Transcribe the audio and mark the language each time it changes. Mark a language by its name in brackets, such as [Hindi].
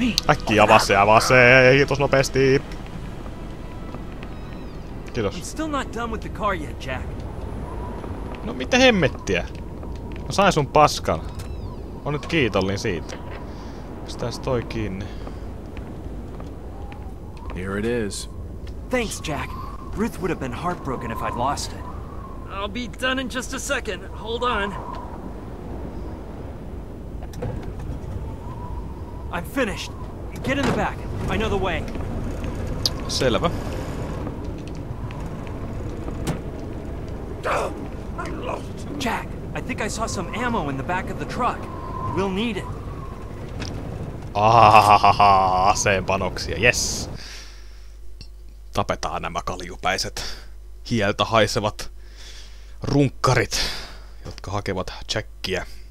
[Finnish] Äkkiä avaa se, kiitos nopeesti. Kiitos. [English] Still not done with the car yet, Jack. [Finnish] No mitä hemmettiä? Mä sain sun paskan. On nyt kiitollin siitä. Pistääs toi kiinni. [English] Here it is. Thanks, Jack. Ruth would have been heartbroken if I'd lost it. I'll be done in just a second. Hold on. I'm finished. Get in the back. I know the way. [Finnish] Selvä. [English] I lost. Jack, I think I saw some ammo in the back of the truck. We'll need it. [Finnish] Ahahaha, aseenpanoksia. Yes. Tapetaan nämä kaljupäiset, hieltä haisevat runkkarit, jotka hakevat Jackia.